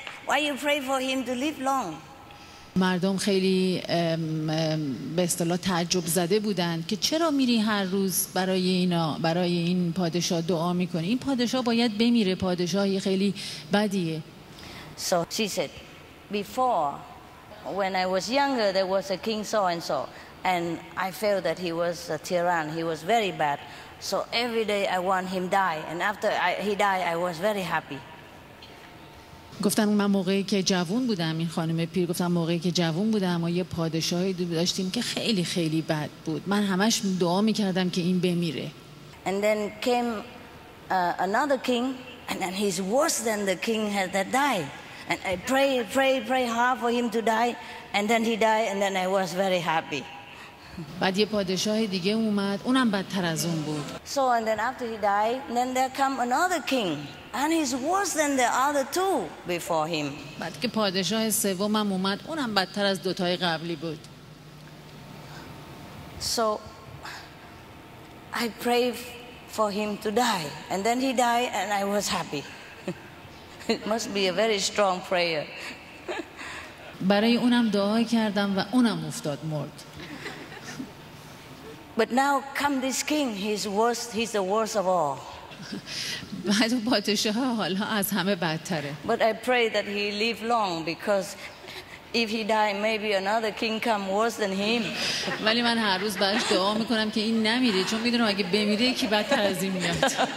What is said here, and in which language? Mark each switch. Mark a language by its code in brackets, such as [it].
[en] Why you pray for him to live long? [fa] مردم خیلی به اصطلاح تعجب زده بودند که چرا میری هر روز برای این پادشاه دعا میکنی؟ این پادشاه باید بمیره، پادشاهی خیلی بدیه. [en] So she said, before when I was younger there was a king so and so and I felt that he was a tyrann, he was very bad, so every day I want him die and after he died I was very happy. [fa] گفتن من موقعی که جوون بودم، این خانم پیر گفتن موقعی که جوون بودم و یه پادشاهی داشتیم که خیلی خیلی بد بود، من همش دعا میکردم که این بمیره. [en] And then came another king and then he's worse than the king that died and I pray hard for him to die and then he died and then I was very happy. [fa] بعد یه پادشاه دیگه اومد، اونم بدتر از اون بود. [en] So and then after he died then there come another king and he's worse than the other two before him. [fa] بعد که پادشاه سومم اومد، اونم بدتر از دوتای قبلی بود. [en] So I prayed for him to die and then he died and I was happy. It must be a very strong prayer. [fa] برای اونم دعا کردم و اونم افتاد مرد. [en] But now come this king, he's the worst of all. [fa] بعد اون پادشاه حالا از همه بدتره. [en] But I pray that he live long because if he die maybe another king come worse than him. [fa] ولی من هر روز براش دعا میکنم که این نمیره چون میدونم اگه بمیره یکی بدتر از این میاد.